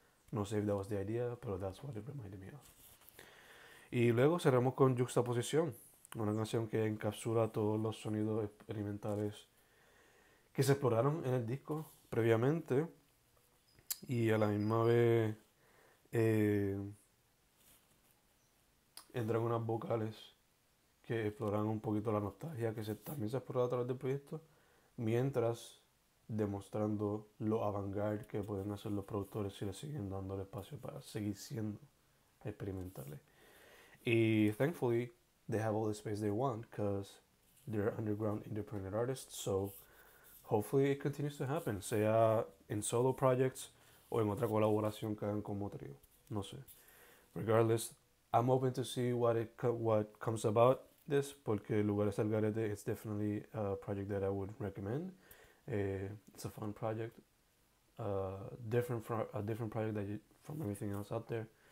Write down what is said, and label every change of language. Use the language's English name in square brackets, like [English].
[Spanish] No sé [English] if that was the idea, pero that's what it reminded me of. [Spanish] Y luego cerramos con Juxtaposición, una canción que encapsula todos los sonidos experimentales que se exploraron en el disco previamente y a la misma vez entran unas vocales que exploran un poquito la nostalgia que también se explora a través del proyecto, mientras demostrando lo avant-garde que pueden hacer los productores si le siguen dando el espacio para seguir siendo experimentales. [English] Y thankfully, they have all the space they want because they're underground independent artists. So hopefully, it continues to happen, [Spanish] sea en [English] solo projects [Spanish] o en otra colaboración que hagan como trío. No sé. [English] Regardless, I'm open to see what comes about this porque Lugares al Garete is definitely a project that I would recommend. It's a fun project, different from a different project that you, from everything else out there.